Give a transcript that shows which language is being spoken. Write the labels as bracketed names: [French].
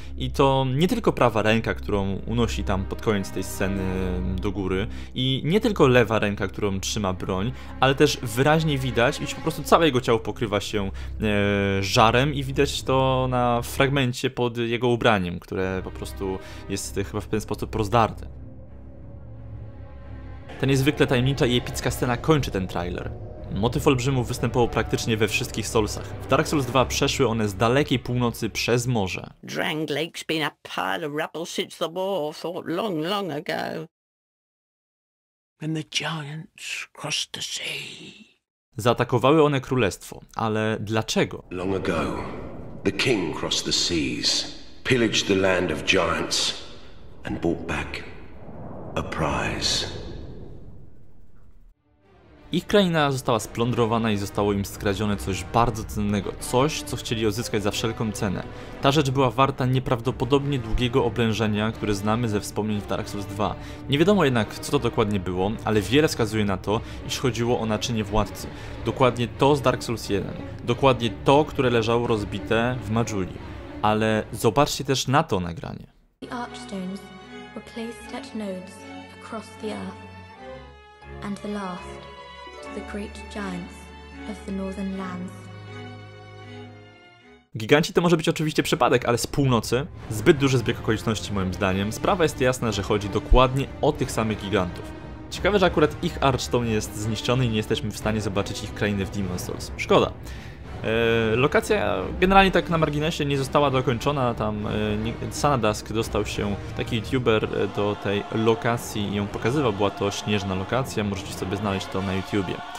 [Polish] I to nie tylko prawa ręka, którą unosi tam pod koniec tej sceny do góry, i nie tylko lewa ręka, którą trzyma broń, ale też wyraźnie widać, iż po prostu całe jego ciało pokrywa się żarem i widać to na fragmencie pod jego ubraniem, które po prostu jest chyba w pewien sposób rozdarte. Ta niezwykle tajemnicza i epicka scena kończy ten trailer. Motyw olbrzymów występował praktycznie we wszystkich Soulsach. W Dark Souls 2 przeszły one z dalekiej północy przez morze. [English] Dranglake's been a pile of rubble since the war, fought long, long ago. When the giants crossed the sea. [Polish] Zaatakowały one królestwo, ale dlaczego? [English] Long ago, the king crossed the seas, pillaged the land of giants and brought back a prize. [Polish] Ich kraina została splądrowana i zostało im skradzione coś bardzo cennego, coś, co chcieli odzyskać za wszelką cenę. Ta rzecz była warta nieprawdopodobnie długiego oblężenia, które znamy ze wspomnień w Dark Souls 2. Nie wiadomo jednak, co to dokładnie było, ale wiele wskazuje na to, iż chodziło o naczynie władcy. Dokładnie to z Dark Souls 1. Dokładnie to, które leżało rozbite w Majuli. Ale zobaczcie też na to nagranie. [English] The Archstones were placed at nodes across the earth. And the last. The great giants of the northern lands. [Polish] Giganci to może być oczywiście przypadek, ale z północy? Zbyt duży zbieg okoliczności moim zdaniem. Sprawa jest jasna, że chodzi dokładnie o tych samych gigantów. Ciekawe, że akurat ich Archstone jest zniszczony i nie jesteśmy w stanie zobaczyć ich krainy w Demon's Souls. Szkoda. Lokacja generalnie tak na marginesie nie została dokończona, tam Sanadask dostał się, taki youtuber do tej lokacji i ją pokazywał, była to śnieżna lokacja, możecie sobie znaleźć to na YouTubie.